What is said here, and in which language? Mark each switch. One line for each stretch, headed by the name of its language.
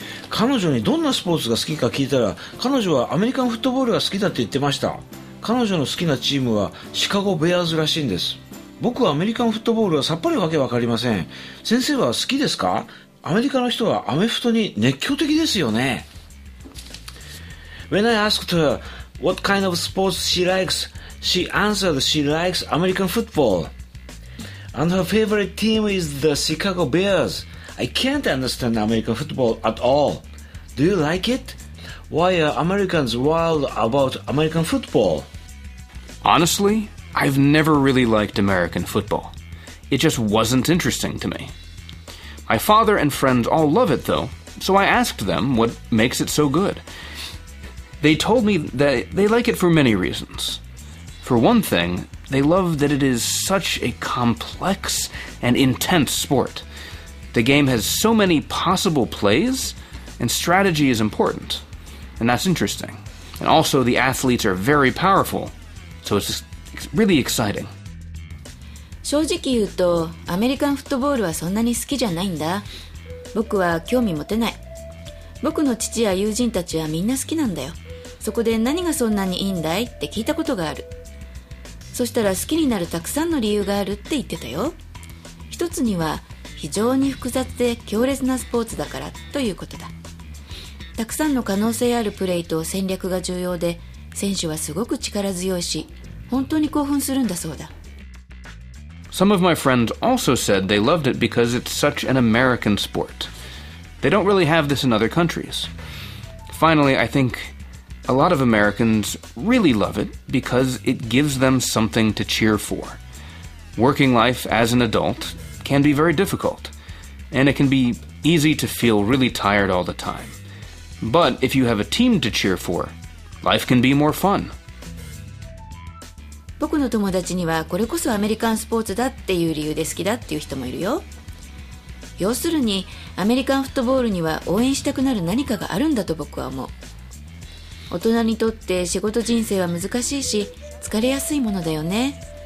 Japanese: 彼女にどんなスポーツが好きか聞いたら、彼女はアメリカンフットボールが好きだって言ってました。彼女の好きなチームはシカゴベアーズらしいんです。僕はアメリカンフットボールはさっぱりわけわかりません。先生は好きですか？アメリカの人はアメフトに熱狂的ですよね。
English: When I asked her what kind of sports she likes, she answered she likes American football and her favorite team is the Chicago Bears. I can't understand American football at all. Do you like it? Why are Americans wild about American football? Honestly, I've never really liked American football. It just wasn't interesting to me. My father and friends all love it, though, so I asked them what makes it so good. They told me that they like it for many reasons. For one thing, they love that it is such a complex and intense sport. The game has so many possible plays, and strategy is important. And that's interesting. And also, the athletes are very powerful, so it's just really exciting.
Japanese: 正直言うと、アメリカンフットボールはそんなに好きじゃないんだ。僕は興味持てない。僕の父や友人たちはみんな好きなんだよ。そこで何がそんなにいいんだいって聞いたことがある。そしたら好きになるたくさんの理由があるって言ってたよ。一つには、非常に複雑で強烈なスポーツだからということだ。たくさんの可能性あるプレーと戦略が重要で、選手はすごく力強いし、本当に興奮するんだそうだ。
English: Some of my friends also said they loved it because it's such an American sport. They don't really have this in other countries. Finally, I think a lot of Americans really love it because it gives them something to cheer for. Working life as an adult can be very difficult, and it can be easy to feel really tired all the time. But if you have a team to cheer for, life can be more fun.
Japanese: 僕の友達にはこれこそアメリカンスポーツだっていう理由で好きだっていう人もいるよ。要するにアメリカンフットボールには応援したくなる何かがあるんだと僕は思う。大人にとって仕事人生は難しいし疲れやすいものだよね。